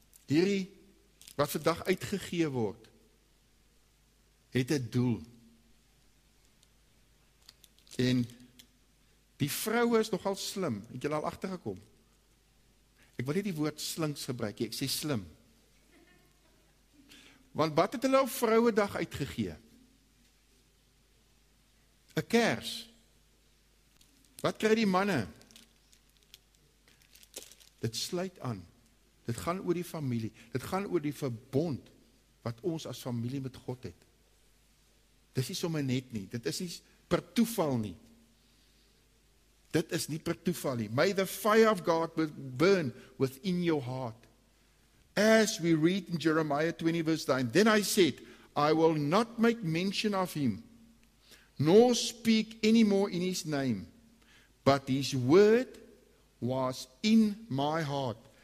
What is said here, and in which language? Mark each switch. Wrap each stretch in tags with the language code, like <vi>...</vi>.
<af>Hierdie wat vandag uitgegee word, het 'n doel. En die vroue is nogal slim, het julle al agtergekom? Ek wil nie die woord slinks gebruik nie, ek sê slim. Want wat het hulle op Vrouedag uitgegee? 'N Kers. Wat kry die manne? Dit sluit aan. Dit gaan oor die familie, dit gaan oor die verbond wat ons as familie met God het. Dis nie sommer net nie, dit is nie per toeval nie. Dit is nie per toeval nie.</af> <en>May the fire of God burn within your heart. As we read in Jeremiah 20 verse 9, then I said, I will not make mention of him, nor speak any more in his name, but his word was in my heart.</en>